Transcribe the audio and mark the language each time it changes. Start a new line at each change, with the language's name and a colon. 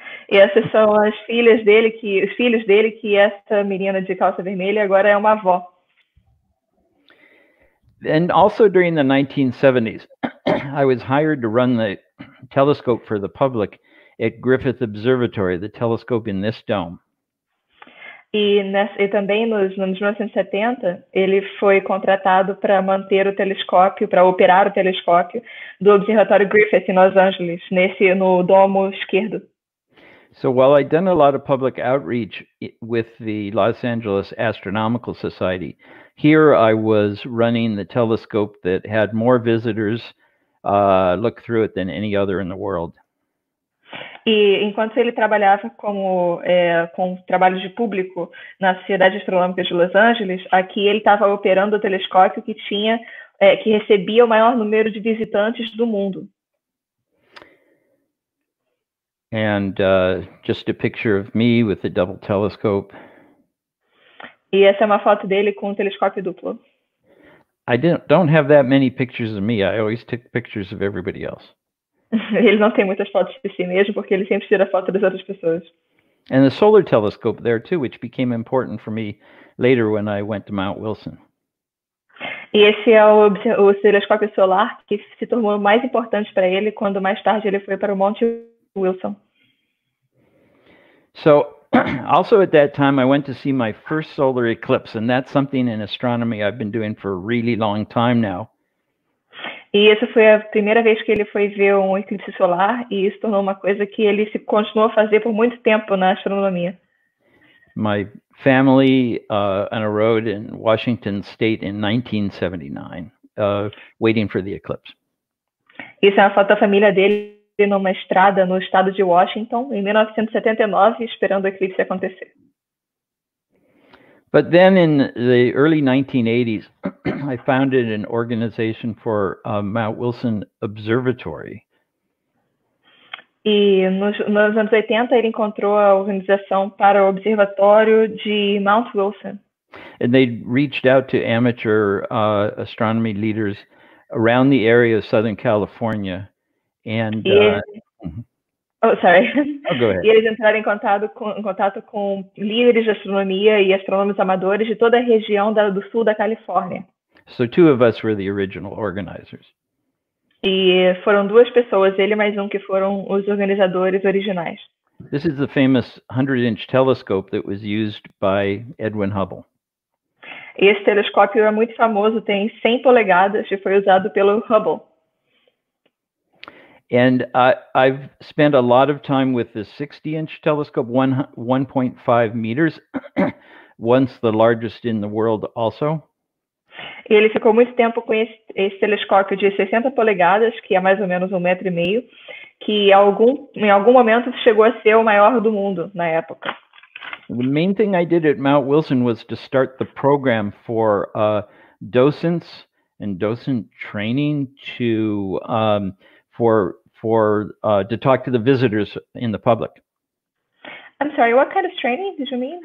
Portuguese: E essas são as filhas dele, que esta menina de calça vermelha agora é uma avó.
English: And also during the 1970s, I was hired to run the telescope for the public at Griffith Observatory, the telescope in this dome.
Portuguese: E também nos 1970, ele foi contratado para manter o telescópio, para operar o telescópio do Observatório Griffith em Los Angeles, no domo esquerdo.
English: So while I'd done a lot of public outreach with the Los Angeles Astronomical Society, here I was running the telescope that had more visitors look through it than any other in the world.
Portuguese: E enquanto ele trabalhava com trabalho de público na Sociedade Astronômica de Los Angeles, aqui ele estava operando o telescópio que tinha, que recebia o maior número de visitantes do mundo.
English: And just a picture of me with the double telescope.
Portuguese: E essa é uma foto dele com um telescópio duplo.
English: I don't have that many pictures of me. I always take pictures of everybody else.
Portuguese: Ele não tem muitas fotos de si mesmo, porque ele sempre tira foto das outras pessoas.
English: And the solar telescope there too, which became important for me later when I went to Mount Wilson.
Portuguese: E esse é o telescópio solar que se tornou mais importante para ele quando mais tarde ele foi para o Monte Wilson.
English: So, also at that time I went to see my first solar eclipse, and that's something in astronomy I've been doing for a really long time now.
Portuguese: E essa foi a primeira vez que ele foi ver um eclipse solar, e isso tornou uma coisa que ele se continuou a fazer por muito tempo na astronomia.
English: My family on a road in Washington State in 1979, waiting for the eclipse.
Portuguese: Isso é uma foto da família dele numa estrada no estado de Washington em 1979, esperando o eclipse acontecer.
English: But then in the early 1980s, I founded an organization for Mount Wilson Observatory.
Portuguese: E nos anos 80, ele encontrou a organização para o observatório de Mount Wilson.
English: And they reached out to amateur astronomy leaders around the area of Southern California. And, go ahead.
Portuguese: E eles entraram em contato com líderes de astronomia e astrônomos amadores de toda a região do sul da Califórnia.
English: So two of us were the original organizers.
Portuguese: E foram duas pessoas, ele mais um, que foram os organizadores originais.
English: This is the famous 100-inch telescope that was used by Edwin Hubble.
Portuguese: Esse telescópio é muito famoso, tem 100 polegadas e foi usado pelo Hubble.
English: And I've spent a lot of time with the 60-inch telescope, 1.5 meters, once the largest in the world also.
Portuguese: Ele ficou muito tempo com esse telescópio de 60 polegadas, que é mais ou menos 1,5 meters, que em algum momento chegou a ser o maior do mundo na época.
English: The main thing I did at Mount Wilson was to start the program for docents and docent training to... to talk to the visitors in the public. I'm sorry, what kind of training did you mean?